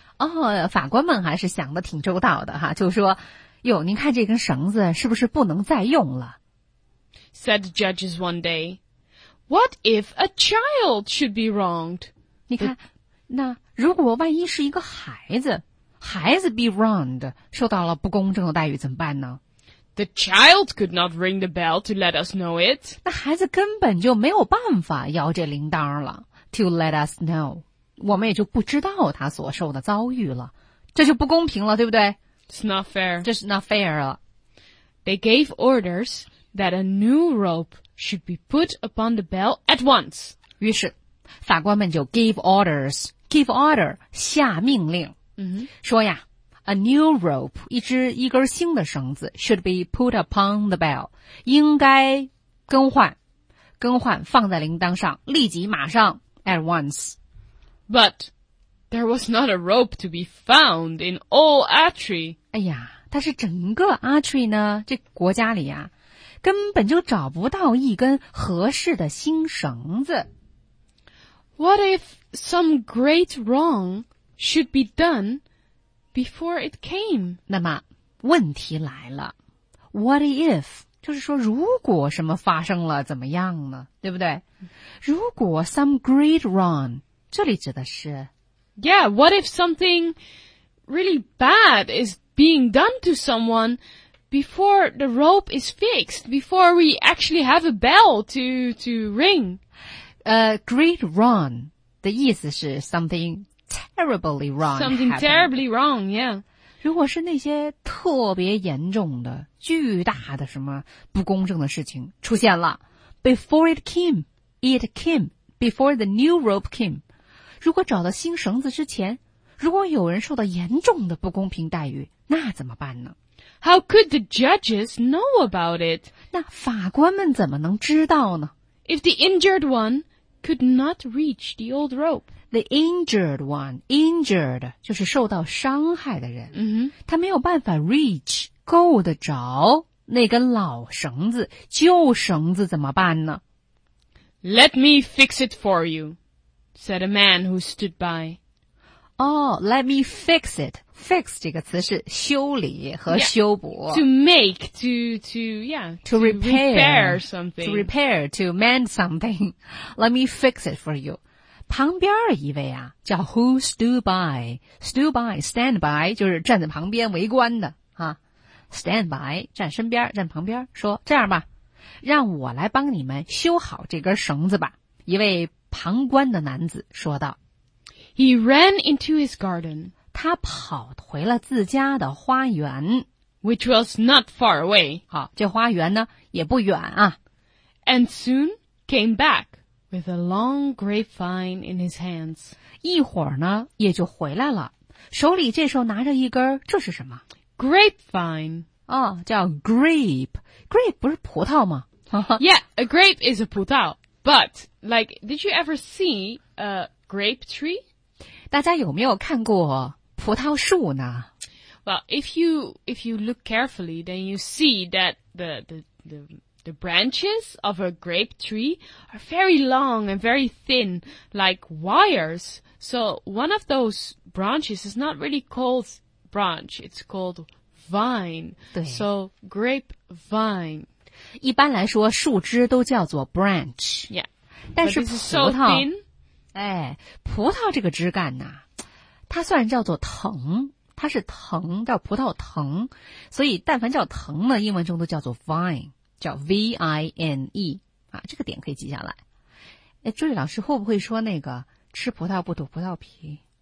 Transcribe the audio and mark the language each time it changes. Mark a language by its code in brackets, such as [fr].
[zh] 哦法官们还是想得挺周到的哈就说哟您看这根绳子是不是不能再用了 [en] said the judges one day. What if a child should be wronged? [zh] 你看那如果万一是一个孩子 [en] be wronged, [zh] 受到了不公正的待遇怎么办呢? [en] The child could not ring the bell to let us know it. [zh] 那孩子根本就没有办法摇这铃铛了 [en] to let us know. [zh] 我们也就不知道他所受的遭遇了。这就不公平了对不对? [en] It's not fair. [zh] 这是 [en] not fair [zh] 了。 [en] They gave orders that a new ropeshould be put upon the bell at once. [zh] 于是法官们就 [en] give order, [zh] 下命令、 mm-hmm. 说呀 [en] a new rope, [zh] 一根新的绳子 [en] should be put upon the bell, [zh] 应该更换放在铃铛上立即马上 [en] at once. But there was not a rope to be found in all Atri. [zh] 哎呀但是整个 Atri 呢这国家里啊根本就找不到一根合适的新绳子。 [en] What if some great wrong should be done before it came? [zh] 那么问题来了。 [en] What if? [zh] 就是说如果什么发生了怎么样呢对不对如果 [en] some great wrong, [zh] 这里指的是。 [en] Yeah, what if something really bad is being done to someone? Before the rope is fixed, before we actually have a bell to ring. Great wrong, [zh] 的意思是 [en] something terribly wrong. Something、 happened. terribly wrong, yeah. [zh] 如果是那些特别严重的、巨大的什么不公正的事情出现了 [en] before it came, before the new rope came. [zh] 如果找到新绳子之前,如果有人受到严重的不公平待遇,那怎么办呢? [en] How could the judges know about it? [zh] 那法官们怎么能知道呢? [en] If the injured one could not reach the old rope. The injured one, injured, [zh] 就是受到伤害的人。 Mm-hmm. 他没有办法 reach, 够得着那根老绳子、旧绳子怎么办呢? [en] Let me fix it for you, said a man who stood by. Oh, let me fix it [zh] fix 这个词是修理和修补。 [en] Yeah, to make, to repair something. To mend something. Let me fix it for you. [zh] 旁边一位啊叫 [en] who stood by. Stood by, stand by, [zh] 就是站在旁边围观的。啊、stand by, 站身边站旁边说这样吧让我来帮你们修好这根绳子吧。一位旁观的男子说道。 [en] He ran into his garden. [zh] 他跑回了自家的花园。 [en] Which was not far away. [zh] 好这花园呢也不远啊。 [en] And soon came back with a long grapevine in his hands. [zh] 一会儿呢也就回来了。手里这时候拿着一根这是什么 [en] ?Grapevine. [zh] 哦叫 grape. Grape 不是葡萄吗 [en] Yeah, a grape is a 葡萄。 But, like, did you ever see a grape tree? [zh] 大家有没有看过葡萄树呢? [en] Well, if you look carefully, then you see that the branches of a grape tree are very long and very thin, like wires. So one of those branches is not really called branch, it's called vine. So grape vine. [zh] 一般来说树枝都叫做 branch、 [en] yeah. [zh] 但是葡萄、哎、葡萄这个枝干呢、啊、它算叫做藤它是藤叫葡萄藤所以但凡叫藤呢英文中都叫做 vine 叫 V-I-N-E、啊、这个点可以记下来朱莉老师会不会说那个吃葡萄不吐葡萄皮